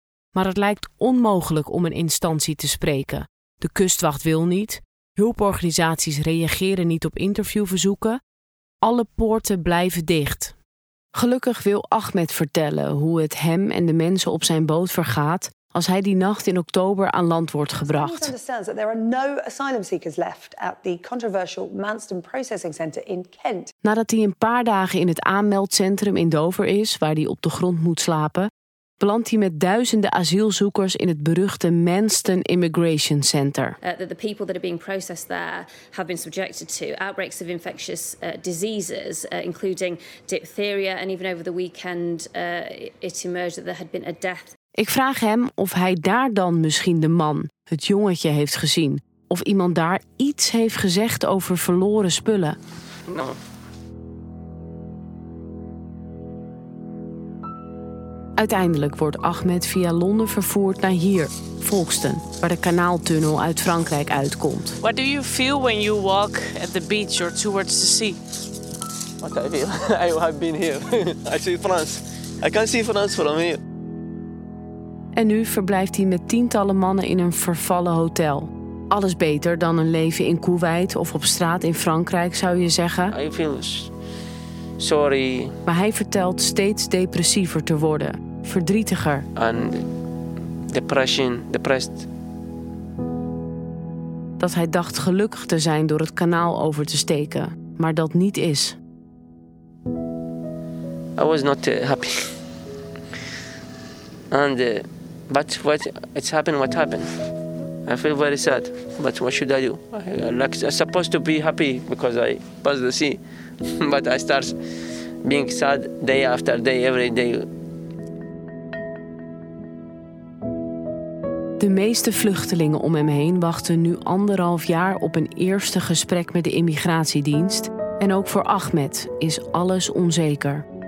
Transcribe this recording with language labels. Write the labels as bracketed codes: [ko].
[nl] Maar het lijkt onmogelijk om een instantie te spreken. De kustwacht wil niet, hulporganisaties reageren niet op interviewverzoeken, alle poorten blijven dicht. Gelukkig wil Ahmed vertellen hoe het hem en de mensen op zijn boot vergaat als hij die nacht in oktober aan land wordt gebracht. [en] Someone understands that there are no asylum seekers left at the controversial Manston Processing Centre in Kent. [nl] Nadat hij een paar dagen in het aanmeldcentrum in Dover is, waar hij op de grond moet slapen, belandt hij met duizenden asielzoekers in het beruchte Manston Immigration Center. [en] That the people that are being processed there have been subjected to outbreaks of infectious diseases, including diphtheria, and even over the weekend it emerged that there had been a death. [nl] Ik vraag hem of hij daar dan misschien de man, het jongetje, heeft gezien, of iemand daar iets heeft gezegd over verloren spullen. [en] No. [nl] Uiteindelijk wordt Ahmed via Londen vervoerd naar hier, Folkestone, waar de kanaaltunnel uit Frankrijk uitkomt. [en] What do you feel when you walk at the beach or towards the sea? What I feel? I have been here. I see France. I can see France from here. [nl] En nu verblijft hij met tientallen mannen in een vervallen hotel. Alles beter dan een leven in Kuwait of op straat in Frankrijk, zou je zeggen. [en] I feel sorry. [nl] Maar hij vertelt steeds depressiever te worden, verdrietiger. [en] En depression, depressed. [nl] Dat hij dacht gelukkig te zijn door het kanaal over te steken, maar dat niet is. [en] I was not happy. And But what it's happened, what happened? I feel very sad. But what should I do? Like, I'm supposed to be happy because I passed the sea. But I start being sad day after day, every day. [nl] De meeste vluchtelingen om hem heen wachten nu anderhalf jaar op een eerste gesprek met de immigratiedienst. En ook voor Ahmed is alles onzeker.